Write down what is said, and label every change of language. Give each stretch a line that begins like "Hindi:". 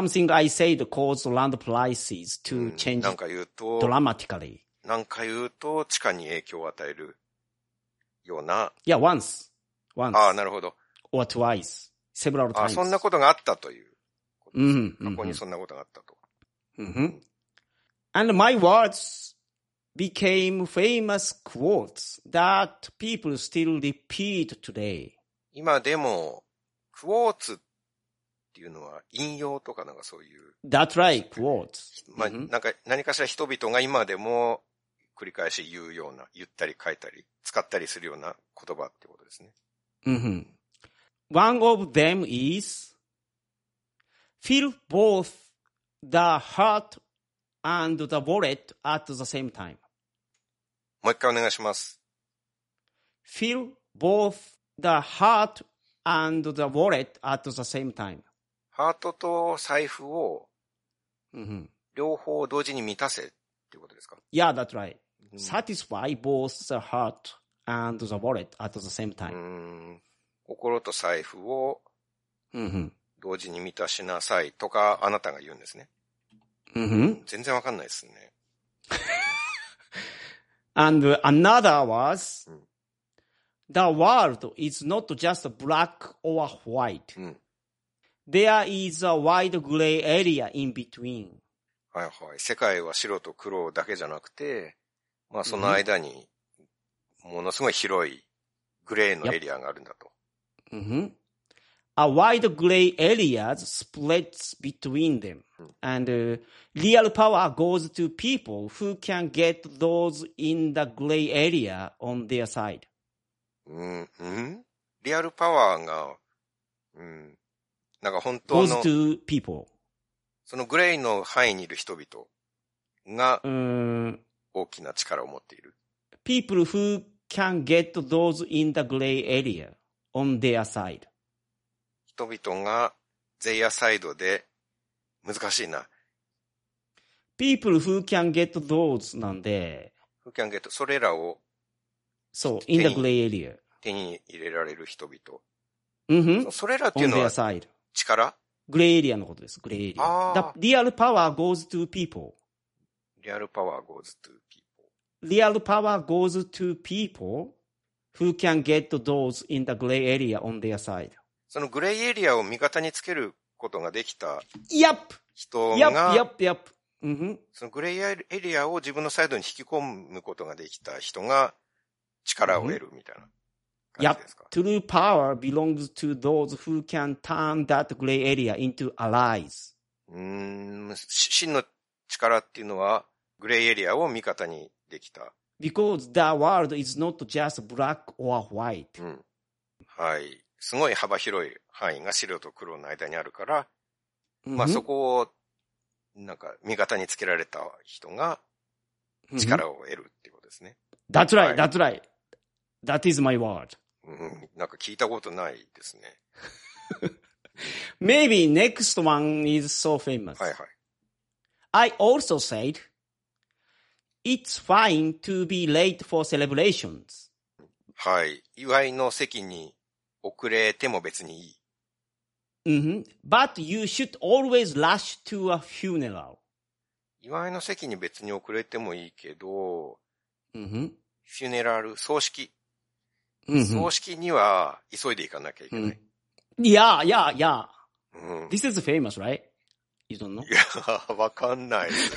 English: Mm-hmm. Something I said caused land prices to change dramatically.
Japanese: なんか言うと地価に影響を与えるような。
English: いや、once.
Japanese: ああ、なるほど。
English: Or twice. Several times.
Japanese: あ、そんなことがあったという。 Mm-hmm. 過去にそんなことがあったと。 Mm-hmm.
English: And my words became famous quotes that people still repeat today.
Japanese: 今でも、クォーツっていうのは引用とかなんかそういう。
English: That's right, quotes.
Japanese: まあ、なんか何かしら人々が今でも繰り返し言うような、言ったり書いたり、使ったりするような言葉ってことですね。 Mm-hmm.
English: One of them is,Fill both the heart and the wallet at the same time.
Japanese: もう一回お願いします。
English: Fill both the heart and the wallet at the same time.
Japanese: ハートと財布を両方同時に満たせっていうことですか。
English: Yeah, that's right. Satisfy both the heart and the wallet at the same time.
Japanese: 心と財布を同時に満たしなさいとかあなたが言うんですね。全然わかんないですね。
English: And another was, the world is not just black or white.、うん、 There is a wide gray area in between.
Japanese: はいはい。世界は白と黒だけじゃなくて、まあその間にものすごい広いグレーのエリアがあるんだと。
English: A wide gray area splits between them. And、real power goes to people who can get those in the gray area on their side. Real power
Japanese: が、なんか本当の、
English: goes to people.
Japanese: そのグレーの範囲にいる人々が、大きな力を持っている。
English: People who can get those in the gray area on their side.
Japanese: 人々が、ゼイヤサイドで、難しいな。
English: People who can get those
Japanese: なんで、
English: who can get,
Japanese: それらを、
English: そう、in the gray area.
Japanese: 手に入れられる人々。 Mm-hmm. それらっていうのは、力? 力?
English: Gray area
Japanese: のことです、
English: gray area. The real power goes to people. Real power goes to people. Real power goes to people who can get those in the gray area on their side.
Japanese: そのグレイエリアを味方につけることができた人が、そのグレイエリアを自分のサイドに引き込むことができた人が力を得るみたいな感じですか。
English: True power belongs to those who can turn that gray area into allies.
Japanese: 真の力っていうのはグレイエリアを味方にできた。
English: Because the world is not just black or white.
Japanese: はい、すごい幅広い範囲が白と黒の間にあるから、まあ、そこを、なんか、味方につけられた人が、力を得るっていうことですね。
English: That's right, that's right. That is my word.
Japanese: なんか聞いたことないですね。
English: Maybe next one is so famous.
Japanese: はいはい。
English: I also said, it's fine to be late for celebrations.
Japanese: はい。祝いの席に、遅れても別にいい。
English: But you should always rush to a funeral.
Japanese: 祝いの席に別に遅れてもいいけど、フューネラル、葬式。葬式には急いで行かなきゃいけない。
English: Yeah, yeah, yeah. This is famous, right? You don't know?
Japanese: いや、わかんない。